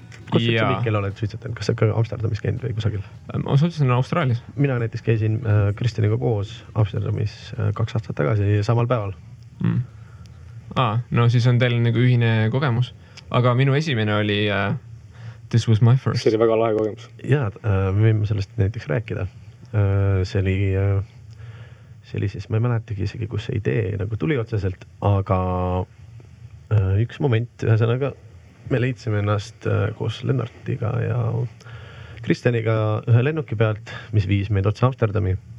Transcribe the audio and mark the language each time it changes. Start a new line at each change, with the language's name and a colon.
Estonian: Kus sa mikkel oled suitsetanud? Kas sa ka Amsterdamis käinud või kusagil? Ma suitsetan Austraalis. Mina näiteks käisin Kristjaniga koos Amsterdamis 2 aastat tagasi samal päeval. No siis on teil nagu ühine kogemus. Aga minu esimene oli
English: This was my first.
Estonian: See oli väga lahe kogemus. Jaa, me võime sellest näiteks rääkida. See oli... Sellises, ma ei mäletagi isegi, kus see idee nagu tuli otseselt, aga üks moment, ühesõnaga, me leidsime ennast koos Lennartiga ja Kristjaniga ühe lennuki pealt, mis viis meid otsa Amsterdami.